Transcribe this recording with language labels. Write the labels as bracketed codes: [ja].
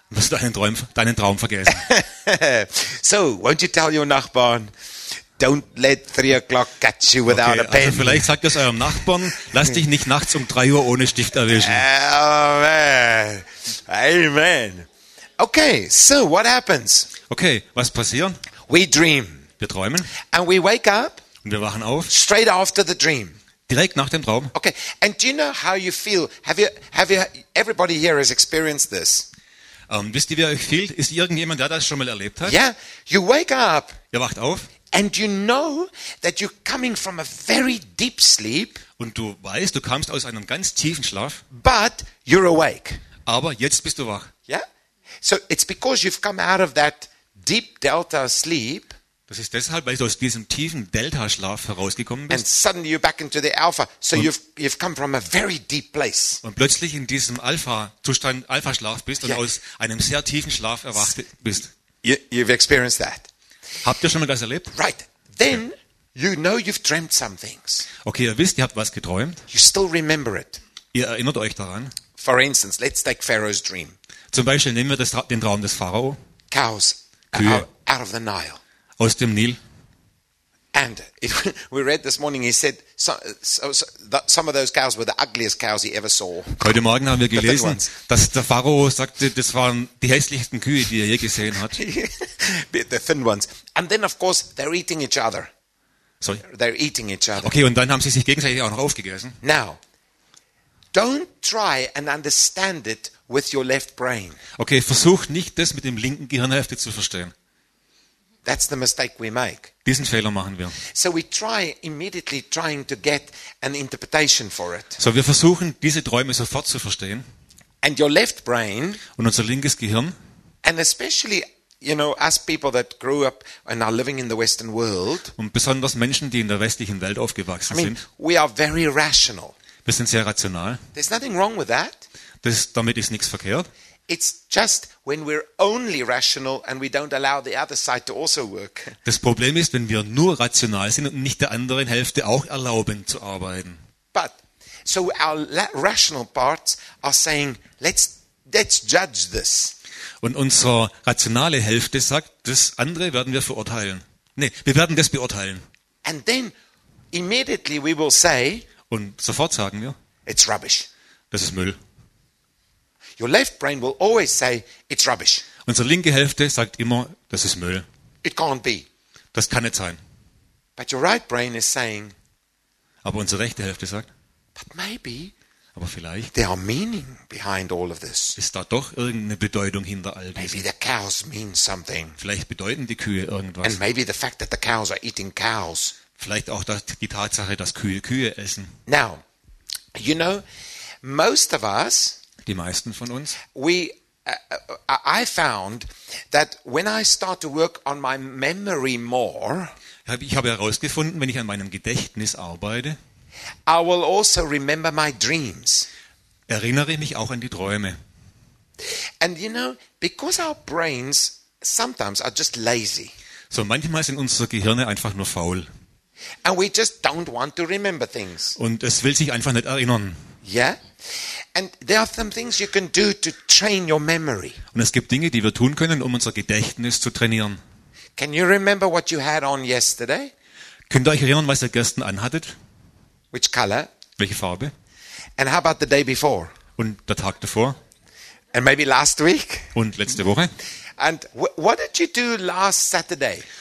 [de] Wirst deinen Traum vergessen. [en] So, won't you tell your Nachbarn, don't let 3 o'clock catch you without okay, a pen. [de] Also vielleicht sagt das eurem Nachbarn, lass dich nicht nachts um 3 Uhr ohne Stift erwischen. Amen. Amen. [en] Okay, so what happens? [de] Okay, was passiert? [en] We dream. [de] Wir träumen. [en] And we wake up. [de] Und wir wachen auf. [en] Straight after the dream. [de] Direkt nach dem Traum. Okay. [en] And do you know how you feel? Have you everybody here has experienced this? [de] Wisst ihr, wie euch fühlt? Ist irgendjemand, der das schon mal erlebt hat? [en] Yeah. You wake up. [de] Ihr wacht auf. [en] And you know that you're coming from a very deep sleep. [de] Und du weißt, du kamst aus einem ganz tiefen Schlaf. [en] But you're awake. [de] Aber jetzt bist du wach. Yeah. [en] So it's because you've come out of that deep delta sleep. [de] Das ist deshalb, weil du aus diesem tiefen Delta-Schlaf herausgekommen bist. [en] And suddenly you're back into the alpha. So you've come from a very deep place. [de] Und plötzlich in diesem Alpha-Zustand, Alpha-Schlaf bist und aus einem sehr tiefen Schlaf erwacht bist. [en] You've experienced that. [de] Habt ihr schon mal das erlebt? [en] Right. Then you know you've dreamt some things. [de] Okay, ihr wisst, ihr habt was geträumt. [en] You still remember it. [de] Ihr erinnert euch daran. [en] For instance, let's take Pharaoh's dream. [de] Zum Beispiel nehmen wir den Traum des Pharao. [en] Cows. [de] Kühe. [en] Out of the Nile. [de] Aus dem Nil. [en] And we read this morning. He said some of those cows were the ugliest cows he ever saw. [de] Heute Morgen haben wir gelesen, dass der Pharao sagte, das waren die hässlichsten Kühe, die er je gesehen hat. [en] The thin ones. And then of course they're eating each other. Sorry. They're eating each other. [de] Okay, und dann haben sie sich gegenseitig auch noch aufgegessen. [en] Now, don't try and understand it with your left brain. [de] Okay, versuch nicht, das mit dem linken Gehirnhälfte zu verstehen. [en] That's the mistake we make. [de] Diesen Fehler machen wir. [en] So we try immediately trying to get an interpretation for it. [de] So wir versuchen diese Träume sofort zu verstehen. [en] And your left brain. [de] Und unser linkes Gehirn. [en] And especially, you know, us people that grew up and are living in the Western world. [de] Und besonders Menschen, die in der westlichen Welt aufgewachsen sind. [en] We are very rational. [de] Wir sind sehr rational. [en] There's nothing wrong with that. [de] Damit ist nichts verkehrt. [en] It's just when we're only rational and we don't allow the other side to also work. [de] Das Problem ist, wenn wir nur rational sind und nicht der anderen Hälfte auch erlauben zu arbeiten. [en] But so our rational parts are saying, let's judge this. [de] Und unsere rationale Hälfte sagt, das andere werden wir verurteilen. Nee, wir werden das beurteilen. [en] And then immediately we will say, [de] und sofort sagen wir, [en] it's rubbish. [de] Das ist Müll. [en] Your left brain will always say it's rubbish. [de] Unsere linke Hälfte sagt immer, das ist Müll. [en] It can't be. [de] Das kann nicht sein. [en] But your right brain is saying. [de] Aber unsere rechte Hälfte sagt. [en] But maybe. [de] Aber vielleicht. [en] There are meaning behind all of this. [de] Ist da doch irgendeine Bedeutung hinter all dem? [en] Maybe the cows mean something. [de] Vielleicht bedeuten die Kühe irgendwas. [en] And maybe the fact that the cows are eating cows. [de] Vielleicht auch die Tatsache, dass Kühe Kühe essen. [en] Now, you know, most of us. [de] Die meisten von uns. [en] I found that when I start to work on my memory more, [de] ich habe herausgefunden, wenn ich an meinem Gedächtnis arbeite, [en] I will also remember my dreams. [de] Erinnere mich auch an die Träume. [en] And you know, because our brains sometimes are just lazy. [de] So manchmal sind unsere Gehirne einfach nur faul. [en] And we just don't want to remember things. [de] Und es will sich einfach nicht erinnern. Yeah? [en] And there are some things you can do to train your memory. [de] Und es gibt Dinge, die wir tun können, um unser Gedächtnis zu trainieren. [en] Can you remember what you had on yesterday? [de] Könnt ihr euch erinnern, was ihr gestern anhattet? [en] Which color? [de] Welche Farbe? [en] And how about the day before? [de] Und der Tag davor? [en] And maybe last week? [de] Und letzte Woche? [en] And what did you do last Saturday?